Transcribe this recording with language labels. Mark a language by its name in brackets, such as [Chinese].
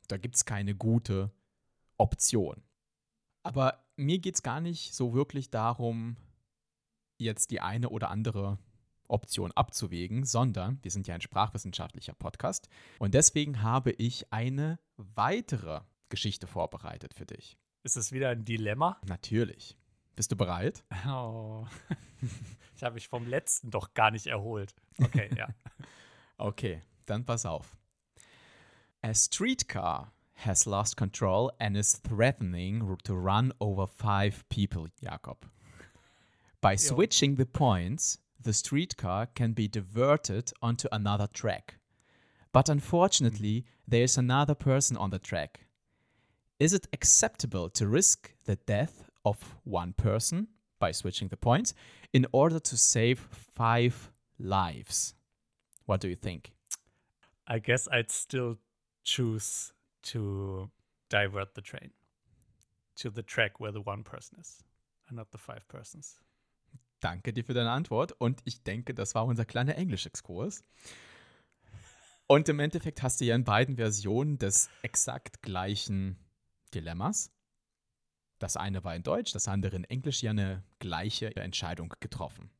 [German] Da gibt es keine gute Option. Aber mir geht es gar nicht so wirklich darum, jetzt die eine oder andere Option abzuwägen, sondern wir sind ja ein sprachwissenschaftlicher Podcast und deswegen habe ich eine weitere Geschichte vorbereitet für dich. Ist es wieder ein Dilemma? Natürlich. Bist du bereit? Oh, ich habe mich vom letzten doch gar nicht erholt. Okay, ja. Okay, dann pass auf. [English] A streetcar has lost control and is threatening to run over 5 people, Jakob. By switching the points, the streetcar can be diverted onto another track. But unfortunately, there is another person on the track. Is it acceptable to risk the death of one person by switching the points in order to save 5 lives? What do you think? I guess I'd still choose to divert the train to the track where the one person is and not the 5 persons. [German] Danke dir für deine Antwort und ich denke, das war unser kleiner Englisch-Exkurs. Und im Endeffekt hast du ja in beiden Versionen des exakt gleichen Dilemmas. Das eine war in Deutsch, das andere in Englisch, ja eine gleiche Entscheidung getroffen.